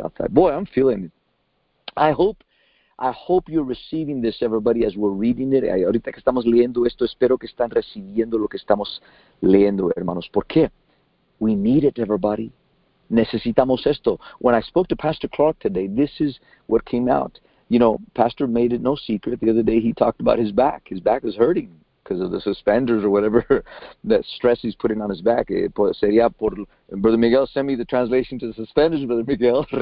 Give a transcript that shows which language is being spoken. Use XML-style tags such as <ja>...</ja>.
<en>Boy, I'm feeling it. I hope you're receiving this, everybody, as we're reading it.</en> <es>Ahorita que estamos leyendo esto, espero que están recibiendo lo que estamos leyendo, hermanos. ¿Por qué?</es> <en>We need it, everybody.</en> <es>Necesitamos esto.</es> <en>When I spoke to Pastor Clark today, this is what came out. You know, Pastor made it no secret. The other day he talked about his back. His back is hurting because of the suspenders or whatever that stress he's putting on his back. Brother Miguel, send me the translation to the suspenders, Brother Miguel.</en>